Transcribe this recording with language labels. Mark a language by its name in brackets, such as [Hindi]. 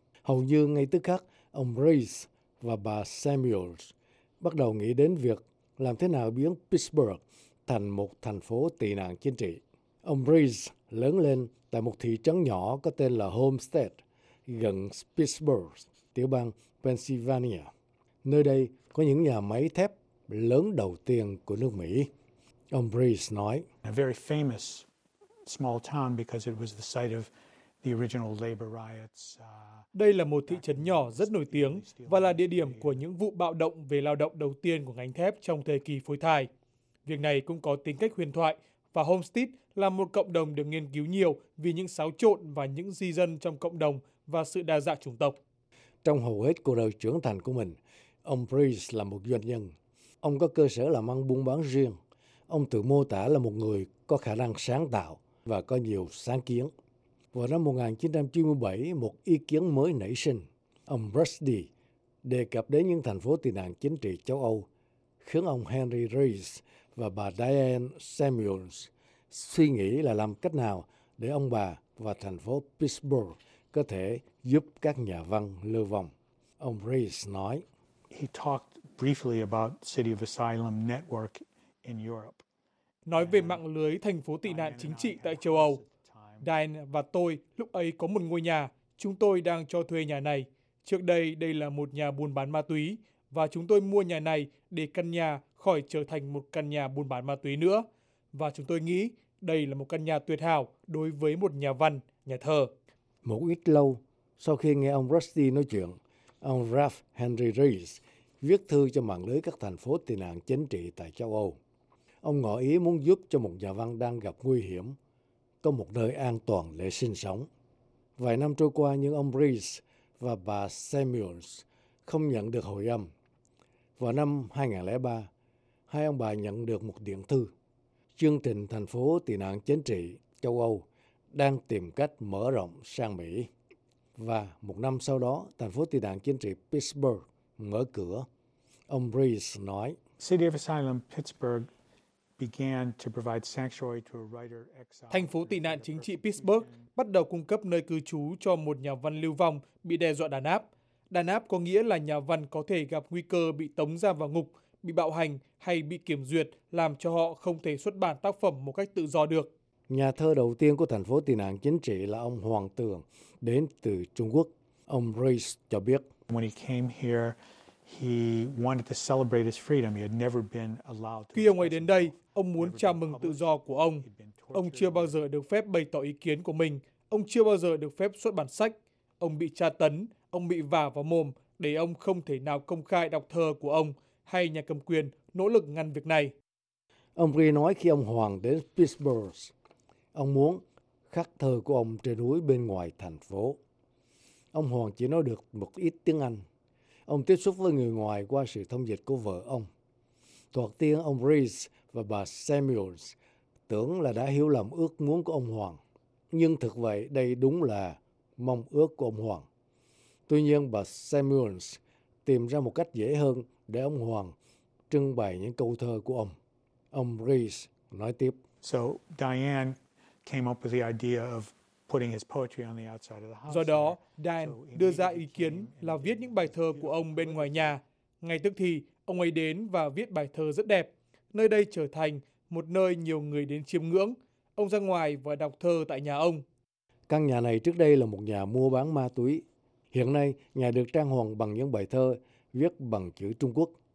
[Vietnamese] Hầu như ngay tức khắc, ông Rees và bà Samuels bắt đầu nghĩ đến việc làm thế nào biến Pittsburgh thành một thành phố tị nạn chính trị. Ông Rees lớn lên tại một thị trấn nhỏ có tên là Homestead, gần Pittsburgh, tiểu bang Pennsylvania. Nơi đây có những nhà máy thép lớn đầu tiên của nước Mỹ. Ông Rees nói, [English] a very famous small town because it was the site of the original labor riots. [Vietnamese] Đây là một thị trấn nhỏ rất nổi tiếng và là địa điểm của những vụ bạo động về lao động đầu tiên của ngành thép trong thời kỳ phối thải. Việc này cũng có tính cách huyền thoại và Homestead là một cộng đồng được nghiên cứu nhiều vì những xáo trộn và những di dân trong cộng đồng và sự đa dạng chủng tộc. Trong hầu hết cuộc đời trưởng thành của mình, ông Rees là một doanh nhân. Ông có cơ sở làm ăn buôn bán riêng. Ông tự mô tả là một người có khả năng sáng tạo và có nhiều sáng kiến. Vào năm 1997, một ý kiến mới nảy sinh. Ông Rushdie đề cập đến những thành phố tị nạn chính trị châu Âu, khiến ông Henry Rees và bà Diane Samuels suy nghĩ là làm cách nào để ông bà và thành phố Pittsburgh có thể giúp các nhà văn lưu vong. Ông Rees nói, [English] he talked briefly about City of Asylum Network in Europe. [Vietnamese] Nói về mạng lưới thành phố tị nạn chính trị tại châu Âu, Diane và tôi lúc ấy có một ngôi nhà, chúng tôi đang cho thuê nhà này. Trước đây, đây là một nhà buôn bán ma túy, và chúng tôi mua nhà này để căn nhà khỏi trở thành một căn nhà buôn bán ma túy nữa. Và chúng tôi nghĩ đây là một căn nhà tuyệt hảo đối với một nhà văn, nhà thơ. Một ít lâu sau khi nghe ông Rusty nói chuyện, ông Ralph Henry Reyes viết thư cho mạng lưới các thành phố tị nạn chính trị tại châu Âu. Ông ngỏ ý muốn giúp cho một nhà văn đang gặp nguy hiểm có một nơi an toàn để sinh sống. Vài năm trôi qua, nhưng ông Reyes và bà Samuels không nhận được hồi âm. Vào năm 2003, hai ông bà nhận được một điện thư. Chương trình thành phố tị nạn chính trị châu Âu đang tìm cách mở rộng sang Mỹ. Và một năm sau đó, thành phố tị nạn chính trị Pittsburgh mở cửa. Ông Reyes nói, [English] City of Asylum, Pittsburgh began to provide sanctuary to a writer exiled. [Vietnamese] Thành phố tị nạn chính trị Pittsburgh bắt đầu cung cấp nơi cư trú cho một nhà văn lưu vong bị đe dọa đàn áp. Đàn áp có nghĩa là nhà văn có thể gặp nguy cơ bị tống giam vào ngục, bị bạo hành hay bị kiểm duyệt, làm cho họ không thể xuất bản tác phẩm một cách tự do được. Nhà thơ đầu tiên của thành phố tị nạn chính trị là ông Hoàng Tường, đến từ Trung Quốc. Ông Reyes cho biết, [English] when he came here, he wanted to celebrate his freedom. He had never been allowed to. [Vietnamese] Khi ông ấy đến đây, ông muốn chào mừng tự do của ông. Ông chưa bao giờ được phép bày tỏ ý kiến của mình. Ông chưa bao giờ được phép xuất bản sách. Ông bị tra tấn. Ông bị vả vào mồm để ông không thể nào công khai đọc thơ của ông hay nhà cầm quyền nỗ lực ngăn việc này. Ông Ri nói khi ông Hoàng đến Pittsburgh, ông muốn khắc thơ của ông trên núi bên ngoài thành phố. Ông Hoàng chỉ nói được một ít tiếng Anh. Ông tiếp xúc với người ngoài qua sự thông dịch của vợ ông. Thoạt tiên, ông Reyes và bà Samuels tưởng là đã hiểu lầm ước muốn của ông Hoàng. Nhưng thực vậy, đây đúng là mong ước của ông Hoàng. Tuy nhiên, bà Samuels tìm ra một cách dễ hơn để ông Hoàng trưng bày những câu thơ của ông. Ông Reyes nói tiếp. [English] So, Diane came up with the idea of putting his poetry on the outside of the house. [Vietnamese] Do đó, Dan đưa ra ý kiến là viết những bài thơ của ông bên ngoài nhà. Ngay tức thì, ông ấy đến và viết bài thơ rất đẹp. Nơi đây trở thành một nơi nhiều người đến chiêm ngưỡng. Ông ra ngoài và đọc thơ tại nhà ông. Căn nhà này trước đây là một nhà mua bán ma túy. Hiện nay, nhà được trang hoàng bằng những bài thơ viết bằng chữ Trung Quốc.